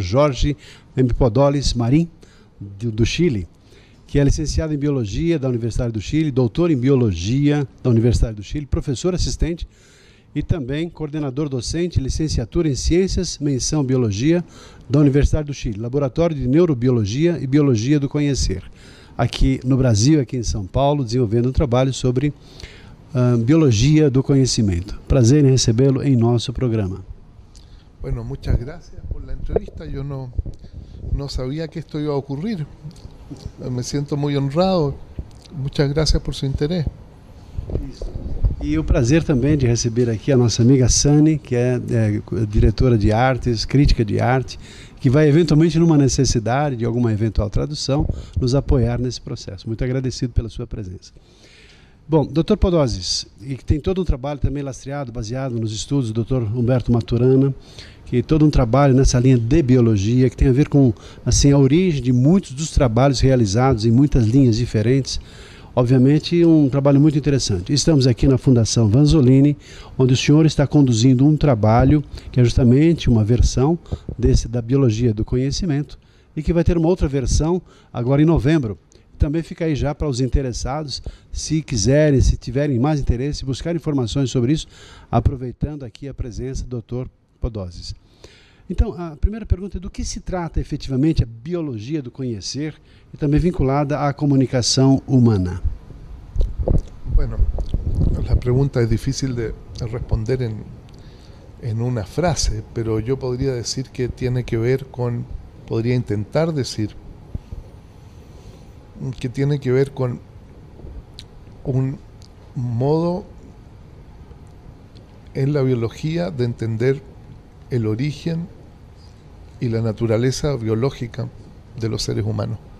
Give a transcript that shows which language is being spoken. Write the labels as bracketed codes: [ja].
[pt] Jorge M. Podolis Marim, do Chile, que é licenciado em Biologia da Universidade do Chile, doutor em Biologia da Universidade do Chile, professor assistente e também coordenador docente, licenciatura em Ciências, menção Biologia da Universidade do Chile, Laboratório de Neurobiologia e Biologia do Conhecer, aqui no Brasil, aqui em São Paulo, desenvolvendo um trabalho sobre Biologia do Conhecimento. Prazer em recebê-lo em nosso programa. [es] Bueno, muchas gracias por la entrevista. Yo no sabía que esto iba a ocurrir. Me siento muy honrado. Muchas gracias por su interés. [pt] E o prazer também de receber aqui a nossa amiga Sani, que é diretora de artes, crítica de arte, que vai eventualmente, numa necessidade de alguma eventual tradução, nos apoiar nesse processo. Muito agradecido pela sua presença. Bom, Dr. Podolis, que tem todo um trabalho também lastreado, baseado nos estudos do Dr. Humberto Maturana, que todo um trabalho nessa linha de biologia, que tem a ver com assim, a origem de muitos dos trabalhos realizados em muitas linhas diferentes, obviamente um trabalho muito interessante. Estamos aqui na Fundação Vanzolini, onde o senhor está conduzindo um trabalho que é justamente uma versão desse da Biologia do Conhecimento e que vai ter uma outra versão agora em novembro. Também fica aí já para os interessados, se quiserem, se tiverem mais interesse, buscar informações sobre isso, aproveitando aqui a presença do Dr. Podolis. Então, a primeira pergunta é: do que se trata efetivamente a Biologia do Conhecer e também vinculada à comunicação humana? [es] Bueno, [pt] a pergunta é difícil de responder em uma frase, [es] pero yo podría decir que tiene que ver con, podría intentar decir, que tiene que ver con un modo en la biología de entender el origen y la naturaleza biológica de los seres humanos.